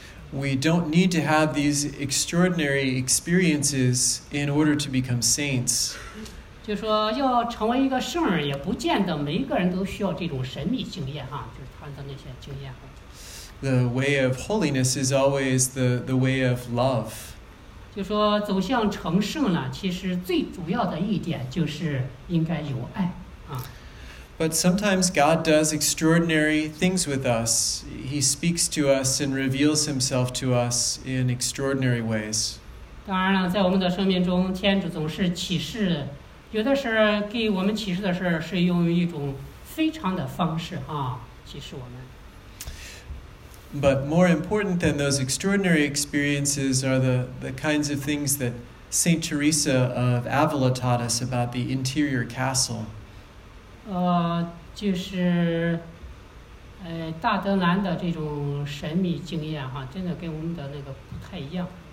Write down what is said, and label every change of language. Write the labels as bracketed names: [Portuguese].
[English] We don't need to have these extraordinary experiences in order to become saints. [Chinese] 就是说要成为一个圣人，也不见得每一个人都需要这种神秘经验啊，就是他的那些经验。 [English] The way of holiness is always the way of love. [Chinese] 就说走向成圣呢，其实最主要的一点就是应该有爱啊。 [English] But sometimes God does extraordinary things with us. He speaks to us and reveals Himself to us in extraordinary ways. [Chinese] 当然了，在我们的生命中，天主总是启示，有的时候给我们启示的事是用一种非常的方式啊，启示我们。 [English] But more important than those extraordinary experiences are the kinds of things that Saint Teresa of Avila taught us about the interior castle. [Chinese] 就是，大德兰的这种神秘经验哈，真的跟我们的那个不太一样。